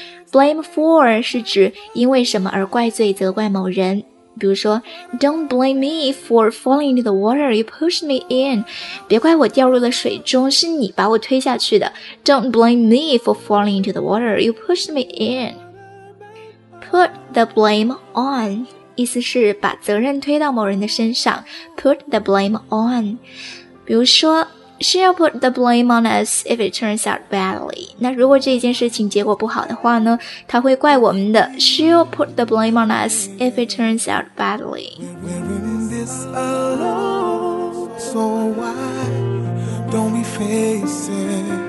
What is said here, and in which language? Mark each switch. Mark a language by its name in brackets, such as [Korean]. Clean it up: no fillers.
[Chinese] blame for 是指因为什么而怪罪责怪某人，比如说 [English] don't blame me for falling into the water you pushed me in, [Chinese] 别怪我掉入了水中，是你把我推下去的。 [English] don't blame me for falling into the water you pushed me in. Put the blame on, [Chinese] 意思是把责任推到某人的身上。 [English] Put the blame on. [Chinese] 比如说 [English] She'll put the blame on us if it turns out badly. [Chinese] 那如果这件事情结果不好的话呢，她会怪我们的。 [English] She'll put the blame on us if it turns out badly. We're in this alone, so why don't we face it?